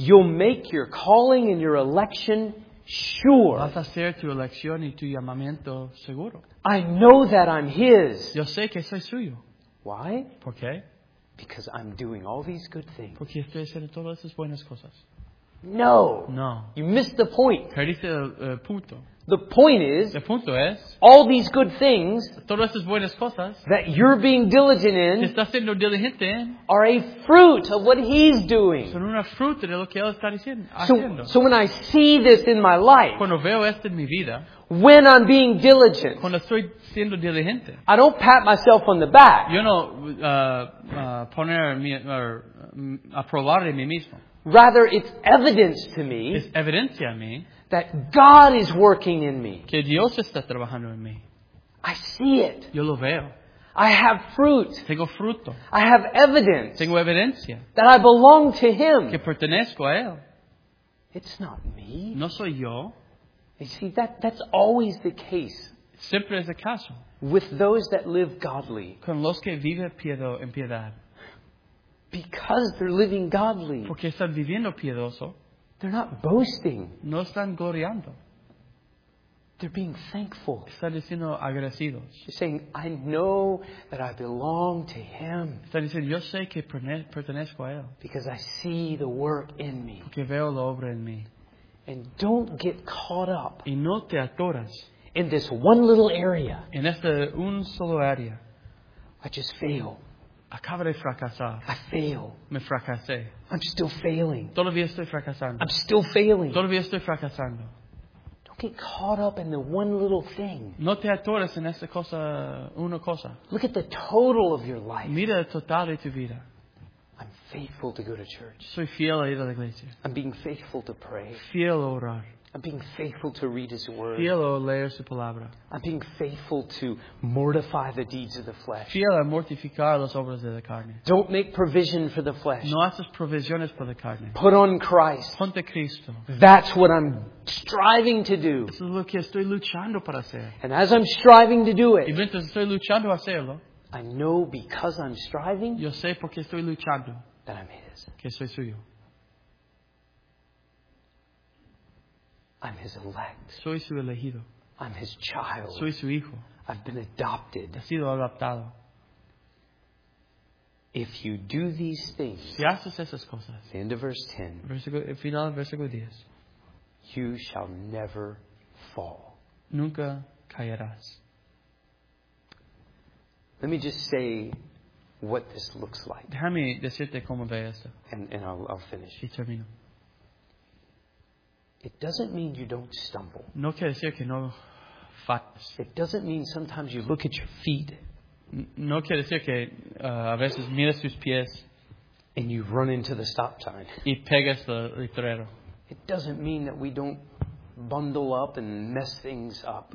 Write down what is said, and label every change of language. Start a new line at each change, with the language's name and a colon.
English: you'll make your calling and your election sure.
Spanish: Vas a hacer tu elección y tu llamamiento seguro.
English: I know that I'm his.
Spanish: Yo sé que soy suyo.
English: Why?
Spanish: ¿Por qué?
English: Because I'm doing all these good things.
Spanish: Porque estoy haciendo todas esas buenas cosas.
English: No.
Spanish: No.
English: You missed the point.
Spanish: Perdiste el punto.
English: The point is,
Spanish: el punto es,
English: all these good things,
Spanish: todas esas buenas cosas,
English: that you're being diligent in,
Spanish: que estás siendo diligente en,
English: are a fruit of what he's doing.
Spanish: Son una fruta de lo que él está diciendo,
English: so when I see this in my life,
Spanish: cuando veo esto en mi vida,
English: when I'm being diligent,
Spanish: cuando estoy siendo diligente,
English: I don't pat myself on the back.
Spanish: Yo no poner mi, aprobar de mí mismo.
English: Rather, it's evidence to me.
Spanish: Es evidencia a mí.
English: That God is working in me.
Spanish: Que Dios está trabajando en mí.
English: I see it.
Spanish: Yo lo veo.
English: I have fruit.
Spanish: Tengo fruto.
English: I have evidence.
Spanish: Tengo evidencia.
English: That I belong to him.
Spanish: Que pertenezco a él.
English: It's not me.
Spanish: No soy yo.
English: You see, that's always the case.
Spanish: Siempre es el caso.
English: With those that live godly.
Spanish: Con los que viven piedo en piedad.
English: Because they're living godly.
Spanish: Porque están viviendo piedoso.
English: They're not boasting.
Spanish: No están gloriando.
English: They're being thankful.
Spanish: Están diciendo agradecidos.
English: They're saying, I know that I belong to him.
Spanish: Están diciendo, yo sé que pertenezco a él.
English: Because I see the work in me.
Spanish: Porque veo la obra en mí.
English: And don't get caught up.
Spanish: Y no te atoras.
English: In this one little area.
Spanish: En esta un solo área.
English: I just fail.
Spanish: Acabo de fracasar.
English: I fail.
Spanish: Me fracasé.
English: I'm still failing.
Spanish: Todavía estoy fracasando.
English: I'm still failing.
Spanish: Todavía estoy fracasando.
English: Don't get caught up in the one little thing.
Spanish: No te atores en esta cosa, una cosa.
English: Look at the total of your life.
Spanish: Mira el total de tu vida.
English: I'm faithful to go to church.
Spanish: Soy fiel a ir a la iglesia.
English: I'm being faithful to pray.
Spanish: Fiel a orar.
English: I'm being faithful to read his word.
Spanish: Fiel a leer su palabra.
English: I'm being faithful to mortify the deeds of the flesh.
Spanish: Fiel a mortificar las obras de la carne.
English: Don't make provision for the flesh.
Spanish: No haces provisiones para la carne.
English: Put on Christ.
Spanish: Ponte Cristo.
English: That's what I'm striving to do.
Spanish: Eso es lo que estoy luchando para hacer.
English: And as I'm striving to do it,
Spanish: y mientras estoy luchando a hacerlo,
English: I know because I'm striving,
Spanish: yo sé porque estoy luchando,
English: that I'm his.
Spanish: Que soy suyo.
English: I'm his elect.
Spanish: Soy su elegido.
English: I'm his child.
Spanish: Soy su hijo.
English: I've been adopted.
Spanish: He sido adoptado.
English: If you do these things,
Spanish: si haces esas cosas,
English: end of verse 10,
Spanish: final del versículo 10,
English: you shall never fall.
Spanish: Nunca caerás.
English: Let me just say what this looks like.
Spanish: Déjame decirte cómo ve esto.
English: And I'll finish.
Spanish: Y termino.
English: It doesn't mean you don't stumble.
Spanish: No quiere decir que no fallas.
English: It doesn't mean sometimes you look at your feet.
Spanish: No quiere decir que a veces miras tus pies.
English: And you run into the stop sign.
Spanish: Y pegas el letrero.
English: It doesn't mean that we don't bundle up and mess things up.